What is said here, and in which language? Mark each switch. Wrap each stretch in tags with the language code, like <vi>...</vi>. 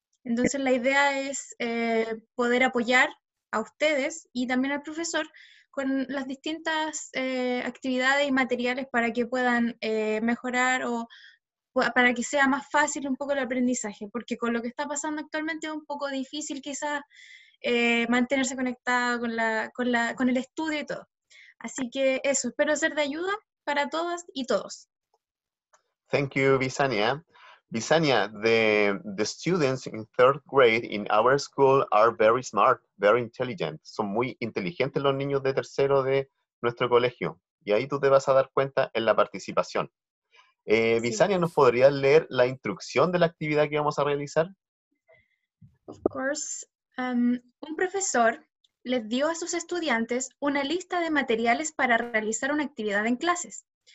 <es>Entonces la idea es poder apoyar a ustedes y también al profesor con las distintas actividades y materiales para que puedan mejorar o para que sea más fácil un poco el aprendizaje, porque con lo que está pasando actualmente es un poco difícil quizás mantenerse conectado con el estudio y todo. Así que eso, espero ser de ayuda para todas y todos.</es> <en>Thank you, Bisania. Bisania, the students in third grade in our school are very smart, very intelligent.</en> <es>Son muy inteligentes los niños de tercero de nuestro colegio. Y ahí tú te vas a dar cuenta en la participación. Bisania, sí. ¿Nos podrías leer la instrucción de la actividad que vamos a realizar?</es> <en>Of course.</en> <es>Un profesor les dio a sus estudiantes una lista de materiales para realizar una actividad en clases.</es>